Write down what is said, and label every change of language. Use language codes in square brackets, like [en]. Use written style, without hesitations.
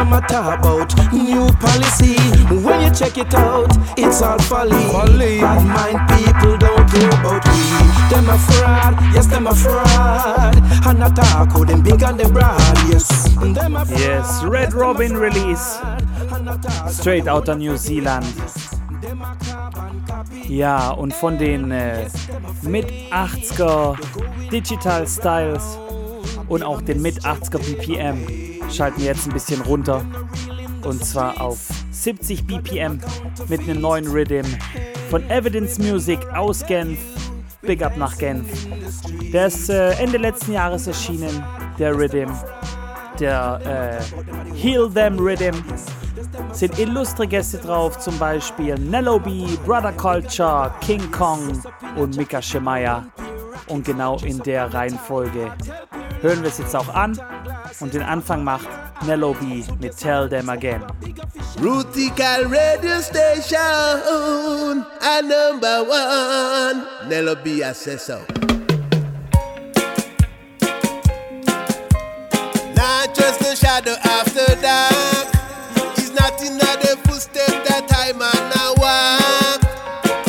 [en] About new policy, when you check it out, it's all folly. Bad mind people don't care about me. Them a fraud, yes, them a fraud. And attack them big and them broad, yes. Them a fraud. Yes, Red Robin release straight out of New Zealand. [de] Ja, und von den Mid-80er Digital Styles und auch den Mid-80er BPM schalten wir jetzt ein bisschen runter. Und zwar auf 70 BPM mit einem neuen Rhythm von Evidence Music aus Genf. Big up nach Genf. Der ist Ende letzten Jahres erschienen, der Rhythm. Der Heal Them Rhythm. Sind illustre Gäste drauf, zum Beispiel Nello B, Brother Culture, King Kong und Mika Shemaya. Und genau in der Reihenfolge hören wir es jetzt auch an. Und den Anfang macht Nello B mit Tell Them Again. [en] Rootikal Radio Station, a number one. Nello B, I say so. Not just a shadow after dark. It's nothing that a footstep that I might not walk.